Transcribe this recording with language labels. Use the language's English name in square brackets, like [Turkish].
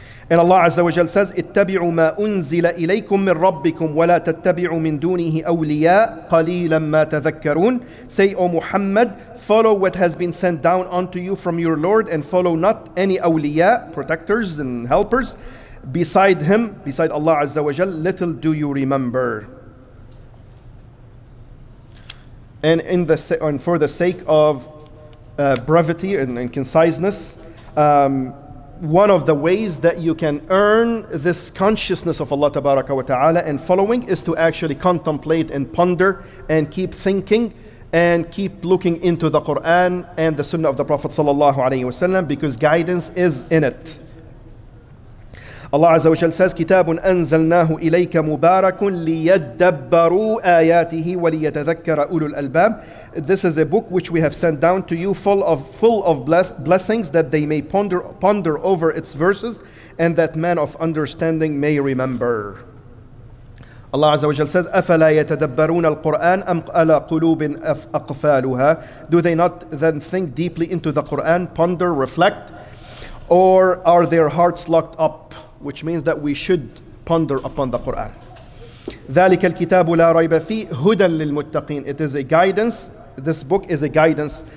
[English] And Allah Azza wa Jal says, [Arabic] اتَّبِعُوا مَا أُنزِلَ إِلَيْكُم مِّن رَبِّكُمْ وَلَا تَتَّبِعُوا مِن دُونِهِ أَوْلِيَاءَ قَلِيلًا مَّا تَذَكَّرُونَ. [English] Say, O Muhammad, follow what has been sent down unto you from your Lord and follow not any awliya, protectors and helpers, beside him, beside Allah Azza wa Jal, little do you remember. And in the and for the sake of brevity and conciseness, one of the ways that you can earn this consciousness of Allah tabaraka wa ta'ala and following is to actually contemplate and ponder and keep thinking and keep looking into the Quran and the sunnah of the Prophet sallallahu alayhi wasallam, because guidance is in it. Allah Azza wa Jal says, [Arabic] كِتَابٌ أَنزَلْنَاهُ إِلَيْكَ مُبَارَكٌ لِيَدَّبَّرُوا آيَاتِهِ وَلِيَتَذَكَّرَ أُولُو الْأَلْبَابِ. [English] This is a book which we have sent down to you full of blessings that they may ponder over its verses and that man of understanding may remember. Allah Azza wa Jal says, [Arabic] أَفَلَا يَتَدَبَّرُونَ الْقُرْآنَ أَمْ أَلَى قُلُوبٍ أَقْفَالُهَا. [English] Do they not then think deeply into the Quran, ponder, reflect? Or are their hearts locked up? Which means that we should ponder upon the Quran. [Arabic] ذَلِكَ الْكِتَابُ لَا رَيْبَ فِيهِ هُدًى لِلْمُتَّقِينَ. [English] It is a guidance. This book is a guidance.